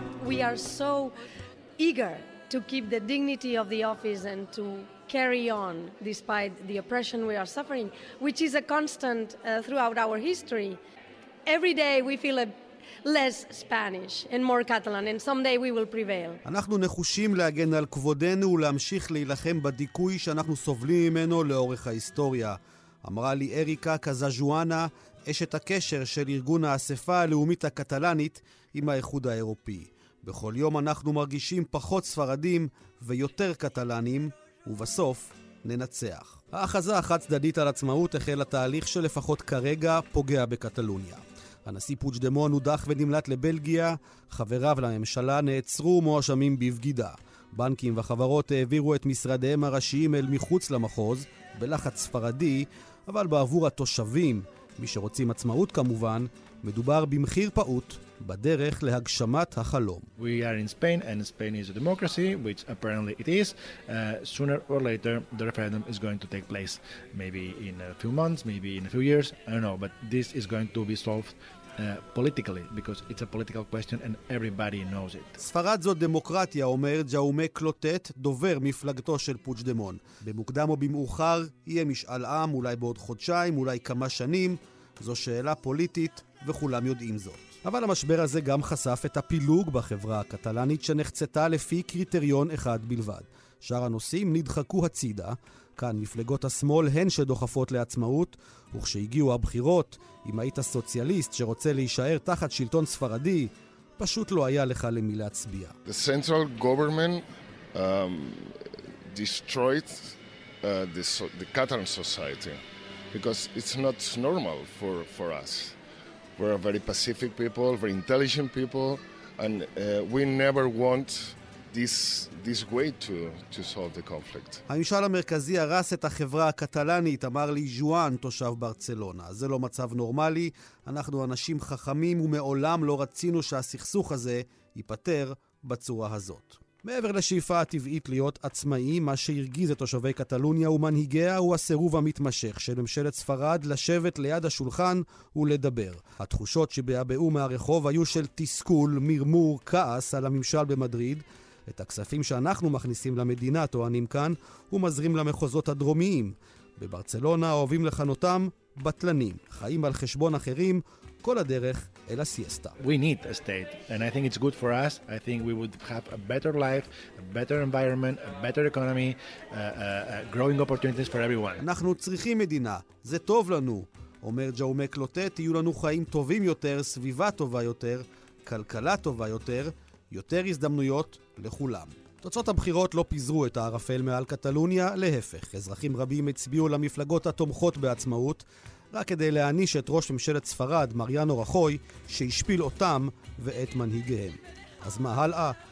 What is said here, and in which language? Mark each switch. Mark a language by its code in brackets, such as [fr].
[en] We are so eager to keep the dignity of the office and to carry on despite the oppression we are suffering, which is a constant throughout our history. Every day we feel less Spanish and more Catalan, and someday we will prevail. [he] אנחנו נחושים להגן על כבודנו ולהמשיך להילחם בדיכוי שאנחנו סובלים ממנו לאורך ההיסטוריה, אמרה לי אריקה קזז'ואנה, אשת הקשר של ארגון האספה הלאומית הקטלנית עם האיחוד האירופי. בכל יום אנחנו מרגישים פחות ספרדים ויותר קטלנים, ובסוף ננצח. האחזה החד צדדית על עצמאות החלה תהליך שלפחות כרגע פוגע בקטלוניה. הנשיא פוג'דמון הודח ונמלט לבלגיה, חבריו לממשלה נעצרו מואשמים בבגידה. בנקים וחברות העבירו את משרדיהם הראשיים אל מחוץ למחוז, בלחץ ספרדי, אבל בעבור התושבים, מי שרוצים עצמאות כמובן, מדובר במחיר פעות בדרך להגשמת החלום. [en] We are in Spain and Spain is a democracy, which apparently it is. Sooner or later the referendum is going to take place, maybe in a few months, maybe in a few years, I don't know, but this is going to be solved politically, because it's a political question and everybody knows it. [he] ספרד זאת דמוקרטיה, אומר ג'אומה קלוטט, דובר מפלגתו של פוג'דמון. במוקדם או במאוחר יהיה משאל עם, אולי בעוד חודשיים, אולי כמה שנים. זו שאלה פוליטית וכולם יודעים זאת. אבל המשבר הזה גם חשף את הפילוג בחברה הקטלנית שנחצתה לפי קריטריון אחד בלבד. שאר הנושאים נדחקו הצידה. כאן מפלגות השמאל הן שדוחפות לעצמאות, וכשהגיעו הבחירות, אם היית סוציאליסט שרוצה להישאר תחת שלטון ספרדי, פשוט לא היה לך למי להצביע. [en] The central government destroyed the Catalan society because it's not normal for us. We're a very pacific people, very intelligent people, and we never want this way to solve the conflict. [he] הממשל המרכזי הרס את החברה הקטלנית, אמר לי ג'ואן, תושב ברצלונה. זה לא מצב נורמלי, אנחנו אנשים חכמים ומעולם לא רצינו שהסכסוך הזה ייפטר בצורה הזאת. מעבר לשאיפה הטבעית להיות עצמאי, מה שהרגיז את תושבי קטלוניה ומנהיגיה הוא הסירוב המתמשך של ממשלת ספרד לשבת ליד השולחן ולדבר. התחושות שבאבאו מהרחוב היו של תסכול, מרמור, כעס על הממשל במדריד. את הכספים שאנחנו מכניסים למדינה, טוענים כאן, הוא מזרים למחוזות הדרומיים. בברצלונה אוהבים לכנותם בטלנים, חיים על חשבון אחרים, כל הדרך אל הסיאסטה. [en] We need a state and I think it's good for us. I think we would have a better life, a better environment, a better economy, growing opportunities for everyone. [he] אנחנו צריכים מדינה, זה טוב לנו, אומר ג'אומה קלוטט, יהיו לנו חיים טובים יותר, סביבה טובה יותר, כלכלה טובה יותר, יותר הזדמנויות לכולם. תוצאות הבחירות לא פיזרו את הערפל מעל קטלוניה, להפך, אזרחים רבים הצביעו למפלגות התומכות בעצמאות, רק כדי להעניש את ראש ממשלת ספרד, מריאנו רחוי, שהשפיל אותם ואת מנהיגיהם. אז מה הלאה?